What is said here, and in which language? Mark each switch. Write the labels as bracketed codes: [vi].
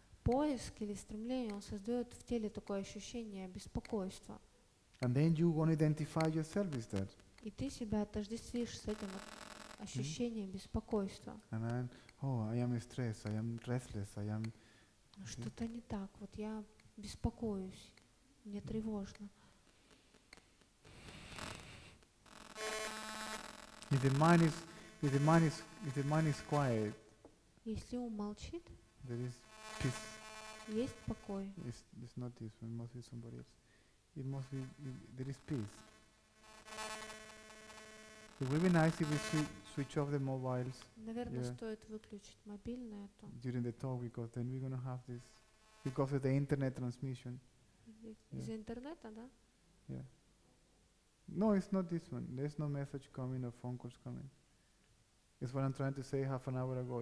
[ru] Поиск или стремление, он создает в теле такое ощущение беспокойства. [en] And then you won't identify yourself with that. [ru] И ты себя отождествишь с этим вот ощущением mm-hmm. беспокойства. [en] And then, oh, I am stressed, I am restless, I am... [ru] Что-то не так, вот я беспокоюсь, мне тревожно. [en] If the mind is quiet, [ru] если ум молчит, [en] there is peace. [ru] Есть покой. [en] It's not this, it must be somebody else. It must be, there is peace. It would be nice if we switch off the mobiles. [ru] Наверное, стоит выключить мобильное то. [en] During the talk, because then we're gonna have this because of the internet transmission. [ru] Из интернета, да? [en] Yeah. No, it's not this one. There's no message coming or phone calls coming. It's what I'm trying to say half an hour ago.